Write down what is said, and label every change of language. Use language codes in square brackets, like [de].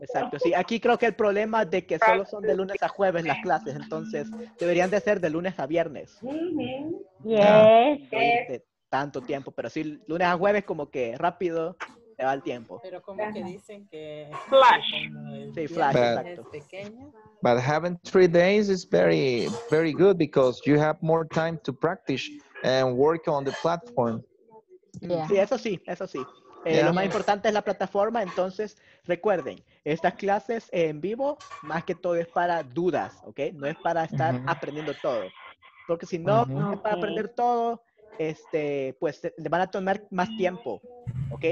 [es] Exacto. Sí, aquí creo que el problema es de que solo son de lunes a jueves las clases. Entonces, deberían de ser de lunes a viernes. Yes. De tanto tiempo. Pero sí, lunes a jueves como que rápido te va el tiempo. Pero como que dicen que... Flash. Sí, flash, [en] but, [es] exacto. [en] But having 3 days is very, very good because you have more time to practice and work on the platform. [es] Sí, eso sí, eso sí. Lo más importante es la plataforma, entonces recuerden, estas clases en vivo, más que todo es para dudas, ¿ok? No es para estar aprendiendo todo, porque si no, es para aprender todo, pues le van a tomar más tiempo, ¿ok?